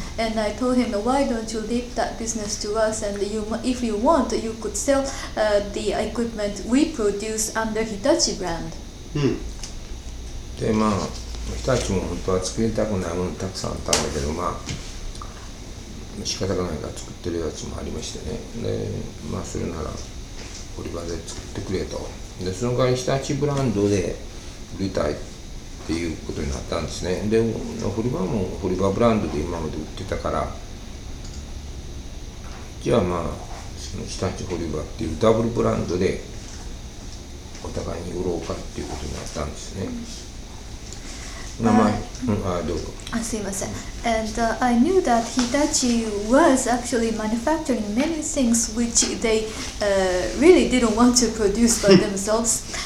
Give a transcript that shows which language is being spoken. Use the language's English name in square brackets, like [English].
[English] And I told him, why don't you leave that business to us, and if you want, you could sell the equipment we produce under Hitachi brand. [Japanese] Hitachi も本当は作りたくないものたくさんあったんだけど、まあ仕方がないから作ってるやつもありましてね。で、まあそれなら堀場で作ってくれと。で、その代わり日立ブランドで売りたいっていうことになったんですね。で、堀場も堀場ブランドで今まで売ってたから、じゃあまあその日立堀場っていうダブルブランドでお互いに売ろうかっていうことになったんですね。すいません。 [English] And I knew that Hitachi was actually manufacturing many things which they really didn't want to produce by themselves.